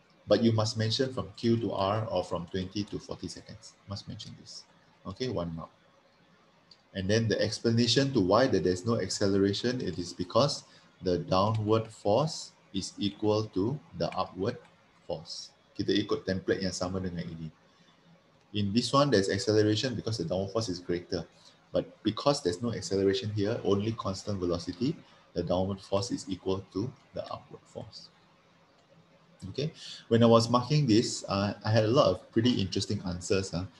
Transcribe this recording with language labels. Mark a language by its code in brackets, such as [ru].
[en] But you must mention from Q to R or from 20 to 40 seconds. Must mention this. Okay, one mark. And then the explanation to why that there's no acceleration, it is because the downward force is equal to the upward force. [ms] Kita ikut template yang sama dengan ini. [en] In this one, there's acceleration because the downward force is greater. But because there's no acceleration here, only constant velocity, the downward force is equal to the upward force. Okay. When I was marking this, I had a lot of pretty interesting answers.